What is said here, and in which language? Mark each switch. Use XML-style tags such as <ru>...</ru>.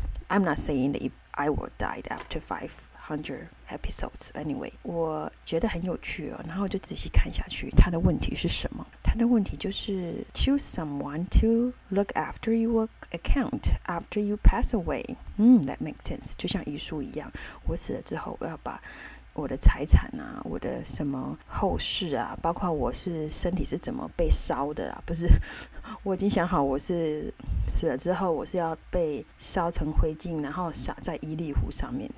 <en>I'm not saying if I will die after 500 episodes anyway.</en> <zh>我觉得很有趣哦，然后就仔细看下去，他的问题是什么？他的问题就是</zh> <en>choose someone to look after your account after you pass away. That makes sense.</en> <zh>就像遗书一样，我死了之后，我要把我的财产啊，我的什么后事啊，包括我是身体是怎么被烧的啊，不是，我已经想好我是死了之后我是要被烧成灰烬，然后撒在伊利湖上面。</zh>